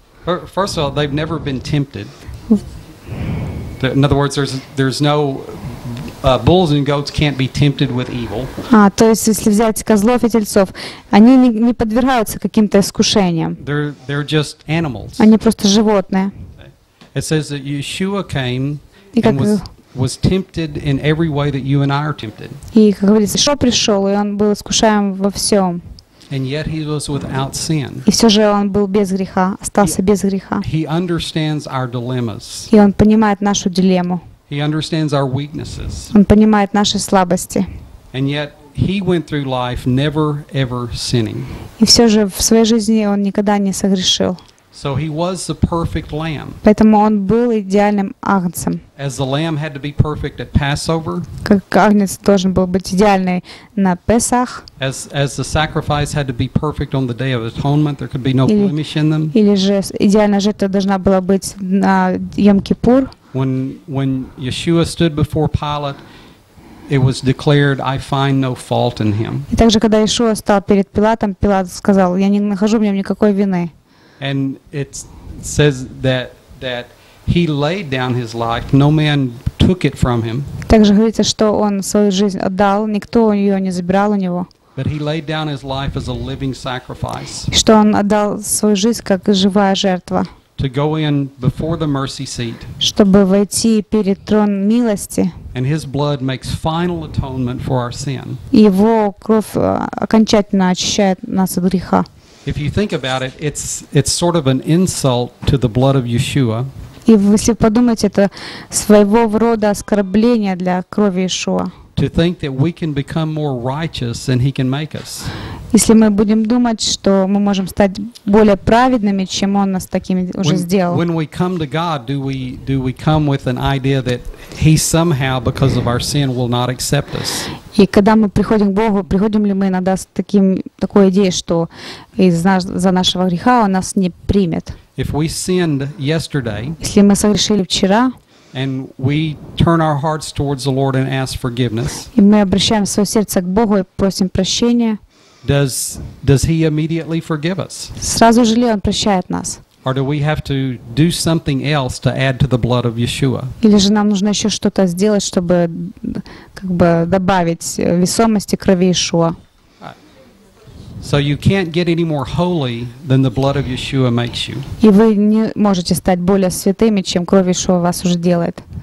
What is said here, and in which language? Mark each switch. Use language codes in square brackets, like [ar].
[en] First of all, they've never been tempted. In other words, there's no bulls and goats can't be tempted with evil. [ru] А, то есть если взять козлов и тельцов, они не подвергаются каким-то искушениям. [en] They're just animals. [ru] Они просто животные. [en] It says that Yeshua came and was tempted in every way that you and I are tempted. [ru] И как говорится, Ишо пришел, и он был искушаем во всем. [en] And yet he was without sin. [ru] И все же он был без греха, остался без греха. [en] He understands our dilemmas. [ru] И он понимает нашу дилемму. [en] He understands our weaknesses. [ru] Он понимает наши слабости. [en] And yet he went through life never ever sinning. [ru] И все же в своей жизни он никогда не согрешил. [en] So he was the perfect lamb. [ru] Поэтому он был идеальным агнцем. [en] As the lamb had to be perfect at Passover. [ru] Как агнец должен был быть идеальный на Песах. [en] As the sacrifice had to be perfect on the Day of Atonement, there could be no blemish in them. [ru] Или же идеальная жертва должна была быть на Йом-Кипур. [en] When Yeshua stood before Pilate, it was declared, "I find no fault in him." [ru] И также когда Иешуа стал перед Пилатом, Пилат сказал: "Я не нахожу в нем никакой вины." [en] And it says that he laid down his life, no man took it from him. [ru] Также говорится, что он свою жизнь отдал, никто ее не забирал у него. [en] But he laid down his life as a living sacrifice. [ru] Что он отдал свою жизнь как живая жертва. [en] To go in before the mercy seat. [ru] Чтобы войти перед трон милости. [en] And his blood makes final atonement for our sin. [ru] Его кровь окончательно очищает нас от греха. [en] If you think about it, it's sort of an insult to the blood of Yeshua. [ru] И если подумать, это своего рода оскорбление для крови Иешуа. [en] To think that we can become more righteous than he can make us. [ru] Если мы будем думать, что мы можем стать более праведными, чем он нас такими уже сделал. [en] When we come to God, do we come with an idea that he somehow because of our sin will not accept us? [ru] И когда мы приходим к Богу, приходим ли мы иногда с такой идеей, что из-за нашего греха он нас не примет? [en] If we sinned yesterday, [ru] если мы согрешили вчера, [en] and we turn our hearts towards the Lord and ask forgiveness, [ru] и мы обращаем свое сердце к Богу и просим прощения, [en] does he immediately forgive us? [ru] Сразу же ли он прощает нас? [en] Or do we have to do something else to add to the blood of Yeshua? [ru] Или же нам нужно еще что-то сделать, чтобы как бы добавить весомости крови Иешуа? [en] So you can't get any more holy than the blood of Yeshua makes you. [ru] И вы не можете стать более святыми, чем кровь Иешуа вас уже делает.